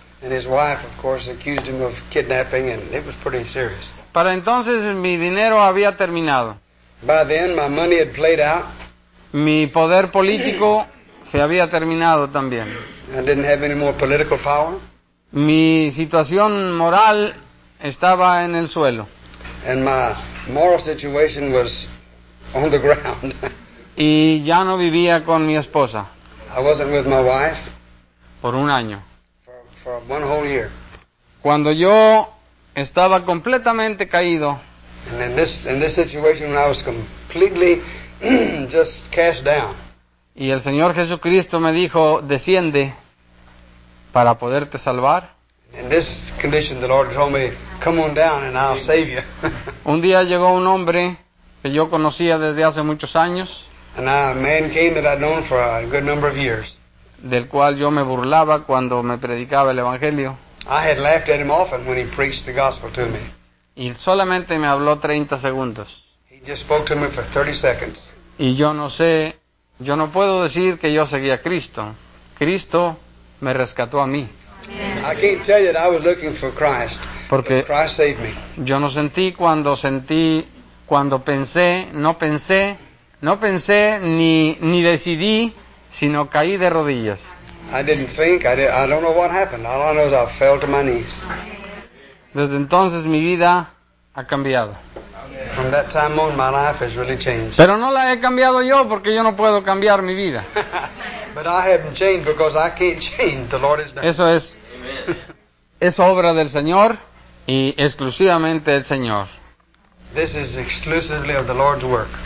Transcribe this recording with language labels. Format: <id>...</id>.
<en>And his wife, of course, accused him of kidnapping, and it was pretty serious.</en> <es>Para entonces mi dinero había terminado.</es> <en>By then my money had played out.</en> <es>Mi poder político se había terminado también.</es> <en>I didn't have any more political power.</en> <es>Mi situación moral estaba en el suelo.</es> <en>And my moral situation was on the ground.</en> <es>Y ya no vivía con mi esposa.</es> <en>I wasn't with my wife.</en> <es>Por un año.</es> <en>For one whole year.</en> <es>Cuando yo estaba completamente caído.</es> <en>And in this situation when I was completely just cast down.</en> <es>Y el Señor Jesucristo me dijo, desciende para poderte salvar.</es> <en>In this condition the Lord told me, come on down and I'll save you.</en> <es>Un día llegó un hombre que yo conocía desde hace muchos años.</es> <en>And a man came that I'd known for a good number of years.</en> <es>Del cual yo me burlaba cuando me predicaba el Evangelio.</es> <en>I had laughed at him often when he preached the gospel to me.</en> <es>Y solamente me habló 30 segundos.</es> <en>He just spoke to me for 30 seconds.</en> <es>Y yo no sé, yo no puedo decir que yo seguía a Cristo. Cristo me rescató a mí.</es> <en>I can't tell you that I was looking for Christ.</en> <es>Porque</es> <en>Christ saved me.</en> <es>Yo no sentí, cuando pensé, no pensé ni decidí, sino caí de rodillas.</es> <en>I didn't think, I don't know what happened. All I know is I fell to my knees.</en> <es>Desde entonces mi vida ha cambiado.</es> <en>From that time on, my life has really changed.</en> <es>Pero no la he cambiado yo porque yo no puedo cambiar mi vida.</es> <en>But I haven't changed because I can't change. The Lord has done.</en> <es>Eso es.</es> <en>Amen.</en> <es>Es obra del Señor y exclusivamente del Señor.</es> <en>This is exclusively of the Lord's work.</en>